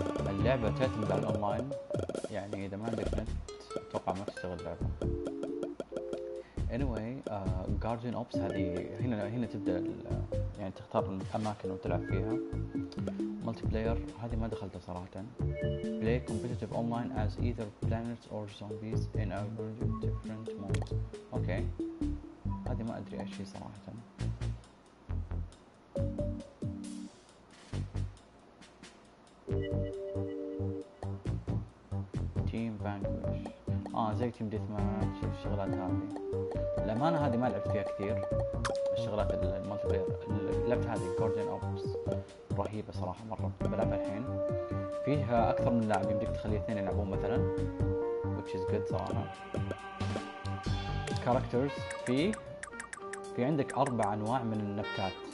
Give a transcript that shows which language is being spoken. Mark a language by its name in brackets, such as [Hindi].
[Arabic] اللعبة تعتمد على الاونلاين، يعني اذا ما عندك نت اتوقع ما تشتغل اللعبة. anyway guardian ops هذه هنا تبدأ، يعني تختار الاماكن وتلعب فيها. ملتي بلاير هذه ما دخلتها صراحة. [English] play competitive online as either planets or zombies in a different mode. [Arabic] okay هذه ما ادري ايش هي صراحة. team vanquish زي team deathmatch الشغلات هذه. الأمانة هذه ما لعبت فيها كثير الشغلات المالتي بلاير. لعبت هذه جاردين اوبس رهيبة صراحة مرة، بلعبها الحين. فيها أكثر من لاعب، يمديك تخلي اثنين يلعبون مثلا، [English] which is good [Arabic] صراحة. كاركترز في عندك أربع أنواع من النبتات.